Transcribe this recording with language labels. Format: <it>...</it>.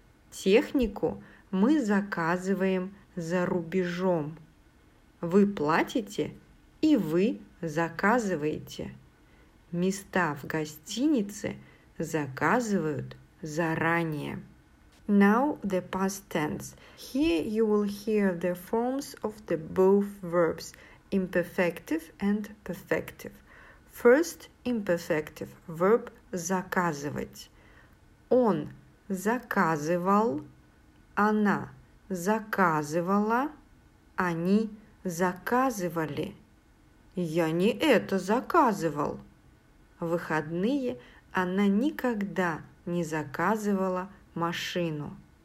<ru>Технику мы заказываем за рубежом. Вы платите и вы заказываете. Места в гостинице заказывают заранее.</ru> <en>Now the past tense. Here you will hear the forms of the both verbs, imperfective and perfective. First, imperfective verb заказывать.</en> <ru>Он заказывал, она заказывала, они заказывали. Я не это заказывал. Выходные она никогда не заказывала машину.</ru>